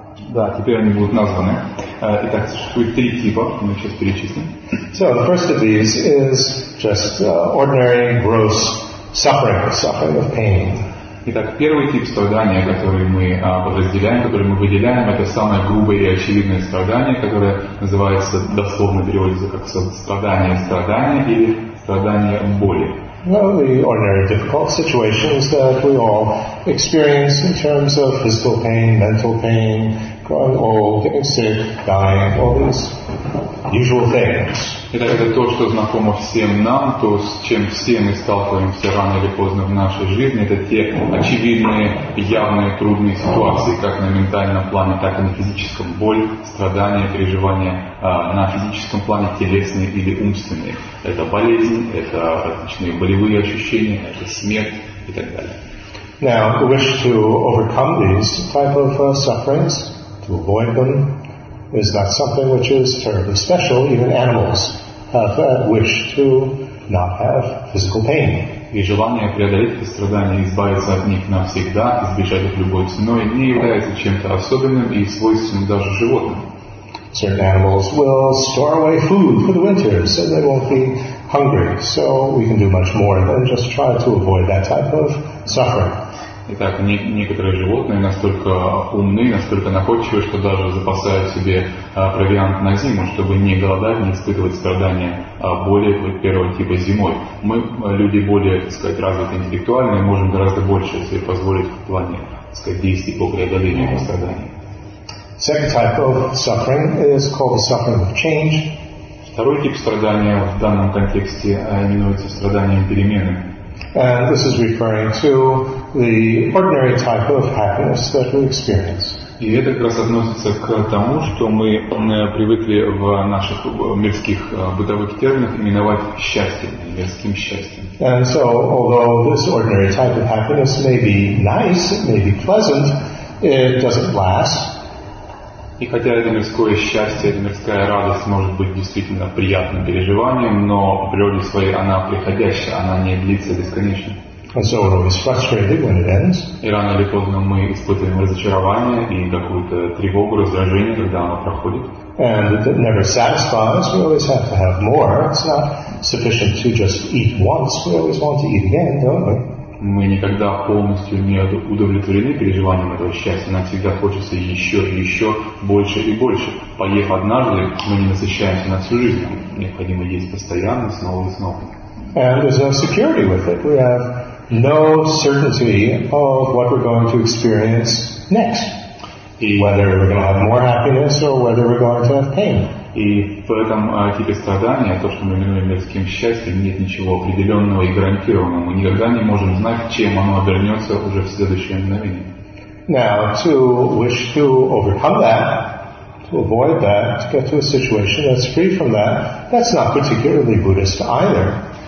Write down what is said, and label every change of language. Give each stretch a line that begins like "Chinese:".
Russian: Да, теперь они будут названы. Итак, существует три типа, мы сейчас перечислим.
English: So the first of these is just ordinary, gross suffering of pain.
Russian: Итак, первый тип страдания, который мы подразделяем, который мы выделяем, это самое грубое и очевидное страдание, которое называется, дословно переводится как страдание или страдание боли.
English: Well, the ordinary difficult situations that we all experience in terms of physical pain, mental pain, growing old, getting sick, dying, all these usual things.
Russian: Итак, это то, что знакомо всем нам, то, с чем все мы сталкиваемся рано или поздно в нашей жизни, это те очевидные, явные, трудные ситуации, как на ментальном плане, так и на физическом. Боль, страдания, переживания на физическом плане, телесные или умственные. Это болезнь, это различные болевые ощущения, это смерть и так далее.
English: Now, we wish to overcome these type of sufferings, to avoid them. Is not something which is terribly special. Even animals have that wish to not have physical pain.
Russian: И желание преодолеть эти страдания, избавиться от них навсегда, избежать их любой ценой, не является чем-то особенным и свойственным даже животным.
English: Certain animals will store away food for the winter so they won't be hungry. So we can do much more than just try to avoid that type of suffering.
Russian: Итак, некоторые животные настолько умны, настолько находчивы, что даже запасают себе провиант на зиму, чтобы не голодать, не испытывать страдания более первого типа зимой. Мы, люди более, так сказать, развиты интеллектуально, можем гораздо больше себе позволить в плане, так сказать, действий по преодолению этого страдания.
English: Second type of suffering is called the suffering of change.
Russian: Второй тип страдания в данном контексте именуется страданием перемены.
English: And this is referring to the ordinary type of happiness that we experience.
Russian: И это как раз относится к тому, что мы привыкли в наших мирских бытовых терминах именовать счастьем, мирским счастьем.
English: And so, although this ordinary type of happiness may be nice, it may be pleasant, it doesn't last.
Russian: И хотя это мирское счастье, это мирская радость может быть действительно приятным переживанием, но в природе своей она приходящая, она не длится бесконечно.
English: And so we're always frustrated when it ends.
Russian: И рано или поздно мы испытываем разочарование и какую-то тревогу, раздражение, когда оно проходит.
English: And if it never satisfies, we always have to have more. It's not sufficient to just eat once, we always want to eat again, don't we?
Russian: Мы никогда полностью не удовлетворены переживанием этого счастья. Нам всегда хочется еще и еще, больше и больше. Поев однажды, мы не насыщаемся на всю жизнь. Необходимо есть постоянно, снова и снова.
English: And there's no security with it. We have no certainty of what we're going to experience next. Whether we're going to have more happiness or whether we're going to have pain.
Russian: И в этом типе страдания, то, что мы называем мирским счастьем, нет ничего определенного и гарантированного. Мы никогда не можем знать, чем оно обернется уже в следующее мгновение.
English: Now, to wish to overcome that, to avoid that, to get to a situation that's free from that, that's not particularly Buddhist either.